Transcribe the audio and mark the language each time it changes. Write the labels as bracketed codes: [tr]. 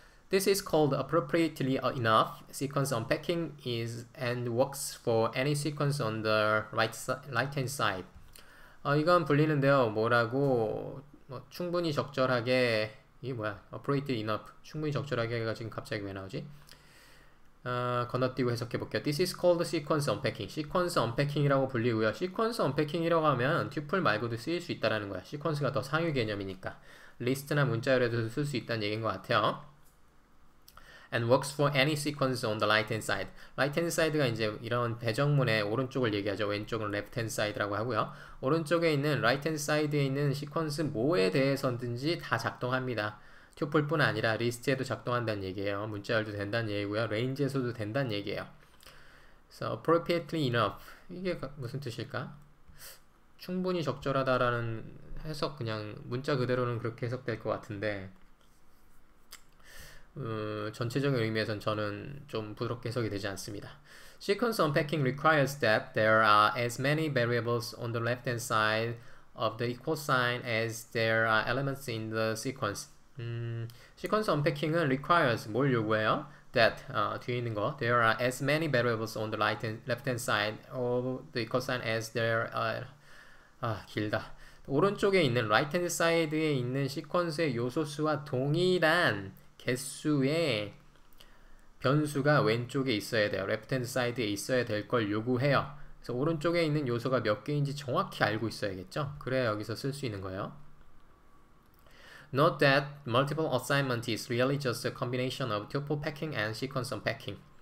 [en] This is called appropriately enough sequence unpacking is and works for any sequence on the right-hand side. [ko] 이건 불리는데요. 뭐라고 뭐 충분히 적절하게 이게 뭐야? [en] appropriately enough [ko] 충분히 적절하게가 지금 갑자기 왜 나오지? 건너뛰고 해석해 볼게요. [en] This is called sequence unpacking. sequence unpacking이라고 불리고요. [ko] sequence unpacking이라고 하면 튜플 말고도 쓰일 수 있다라는 거야. sequence가 더 상위 개념이니까 리스트나 문자열에도 쓸수 있다는 얘기인 것 같아요. [en] and works for any sequence on the right-hand side. [ko] right-hand side가 이제 이런 배정문의 오른쪽을 얘기하죠. 왼쪽은 left-hand side라고 하고요. 오른쪽에 있는 right-hand side에 있는 sequence 뭐에 대해서든지 다 작동합니다. 튜플뿐 아니라 리스트에도 작동한다는 얘기예요. 문자열도 된다는 얘기고요. 레인지에서도 된다는 얘기예요. 그래서 [en] appropriately enough [ko] 이게 무슨 뜻일까? 충분히 적절하다라는 해석 그냥 문자 그대로는 그렇게 해석될 것 같은데 전체적인 의미에서는 저는 좀 부드럽게 해석이 되지 않습니다. [en] Sequence unpacking requires that there are as many variables on the left-hand side of the equal sign as there are elements in the sequence. sequence unpacking은 requires [ko] 뭘 요구해요? [en] that [ko] 뒤에 있는 거 [en] there are as many variables on the left-hand side of the equal sign as there are 길다. [ko] 오른쪽에 있는 right-hand side에 있는 sequence의 요소 수와 동일한 개수의 변수가 왼쪽에 있어야 돼요. left-hand side에 있어야 될걸 요구해요. 그래서 오른쪽에 있는 요소가 몇 개인지 정확히 알고 있어야겠죠? 그래야 여기서 쓸수 있는 거예요. [en] Note that multiple assignment is really just a combination of tuple packing and sequence unpacking.